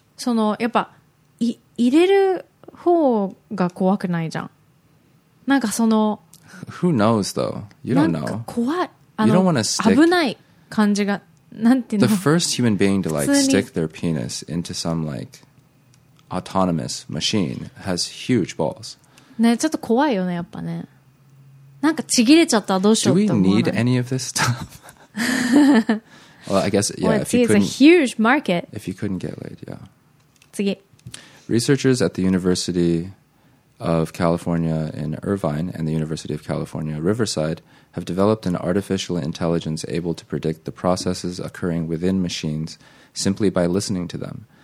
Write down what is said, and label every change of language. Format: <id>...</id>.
<ja>その、やっぱ、入れる方が怖くないじゃん。なんかその、</ja> <en>Who knows though? You don't know.</en> <ja>なんか怖い。</ja> <en>You don't want to stick.</en> <ja>危ない感じが、なんていうの?</ja> <en>The first human being to like stick their penis into some like autonomous machine has huge balls.</en> <ja>ね、ちょっと怖いよね、やっぱね。なんかちぎれちゃったらどうしようって思う</ja> <en>の? Do we need any of this stuff? Well, I guess, yeah, well, if you couldn't. It's a huge market. If you couldn't get laid, yeah.</en> <ja>次。</ja> <en>Researchers at the University of California in Irvine and the University of California, Riverside, have developed an artificial intelligence able to predict the processes occurring within machines simply by listening to them.</en>